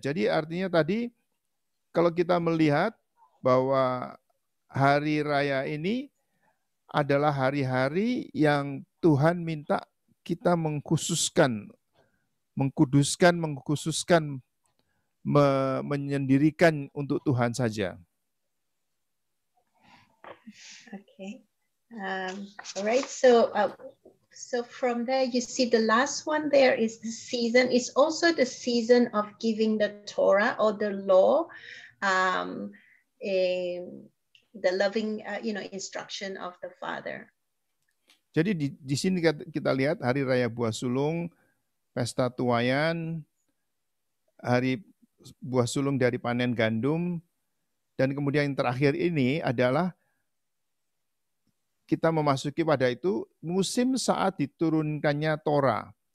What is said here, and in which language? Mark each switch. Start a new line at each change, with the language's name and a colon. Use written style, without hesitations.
Indonesian: Jadi artinya tadi, kalau kita melihat bahwa hari raya ini adalah hari-hari yang Tuhan minta kita mengkhususkan, menyendirikan untuk Tuhan saja.
English: Okay. All right. So from there, you see the last one there is the season. It's also the season of giving the Torah or the law, the loving, you know, instruction of the Father.
Indonesian: Jadi di sini kita lihat hari raya buah sulung, pesta tuayan, hari buah sulung dari panen gandum, dan kemudian yang terakhir ini adalah kita memasuki pada itu musim saat diturunkannya Torah.